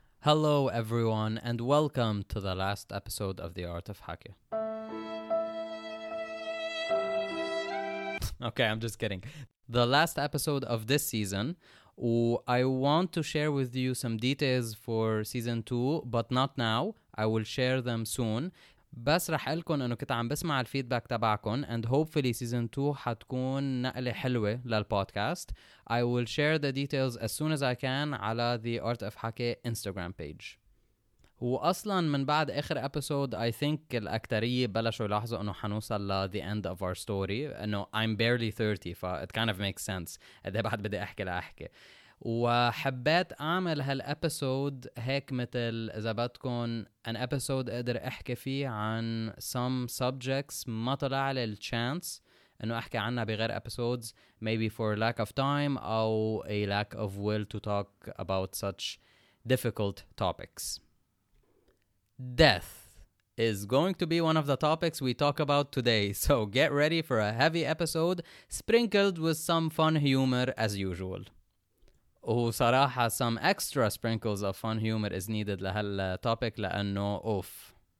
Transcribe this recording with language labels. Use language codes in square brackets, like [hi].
[en] Hello, everyone, and welcome to the last episode of The Art of Hacker. Okay, I'm just kidding. The last episode of this season, I want to share with you some details for season 2, but not now. I will share them soon. [ar] بس رح قلكن انه كنت عم بسمع الفيدباك تبعكن [en] and hopefully season 2 [ar] حتكون نقلة حلوة للبودكاست. [en] I will share the details as soon as I can على The Art of Hacker Instagram page. [ar] وأصلا من بعد آخر episode [en] I think [ar] الأكترية بلشوا يلاحظوا انه حنوصل ل [en] the end of our story. انه I'm barely 30 ف it kind of makes sense. [ar] قدي بعد بدي أحكي لأحكي. وحبيت أعمل هالأبسود هيك مثل إذا بدكم [en] an episode [ar] أقدر أحكي فيه عن [en] some subjects [ar] ما طلع لي الشانس إنه أحكي عنها بغير [en] episodes maybe for lack of time أو a lack of will to talk about such difficult topics. Death is going to be one of the topics we talk about today, so get ready for a heavy episode sprinkled with some fun humor as usual. [ar] وصراحة [en] some extra sprinkles of fun humor is needed لهالtopic [ar] لأنه أوف.